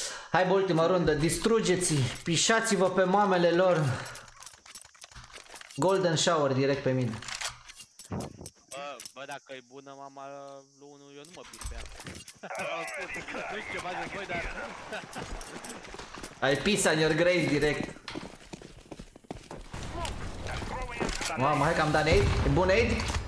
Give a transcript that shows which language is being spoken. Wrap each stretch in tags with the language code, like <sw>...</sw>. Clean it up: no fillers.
<ro>Hai pe ultima rundă, distrugeți-i, pișați-vă pe mamele lor. Golden shower direct pe mine. Bă, dacă e bună mama lui unul, eu nu mă pis pe ea. Nu știu ce faceți voi, dar...</ro> <en>I piss on your grave direct.</en> <ro>Mamă, hai că am dat aid, e bun aid?</ro>